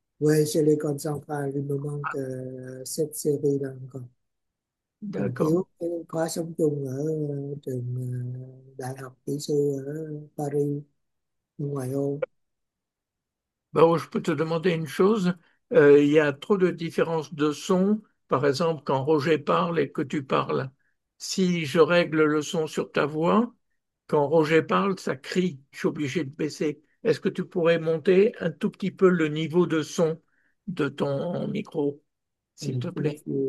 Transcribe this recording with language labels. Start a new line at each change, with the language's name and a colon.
French: Oui, c'est l'école centrale. Il me manque cette série-là encore. Donc, D'accord.
Vietnamese: thiếu cái khóa sống chung ở trường Đại học Kỹ sư ở Paris, ngoại ô.
French: Bon, je peux te demander une chose. Il y a trop de différences de son. Par exemple, quand Roger parle et que tu parles, si je règle le son sur ta voix, quand Roger parle, ça crie. Je suis obligé de baisser. Est-ce que tu pourrais monter un tout petit peu le niveau de son de ton micro, s'il te plaît?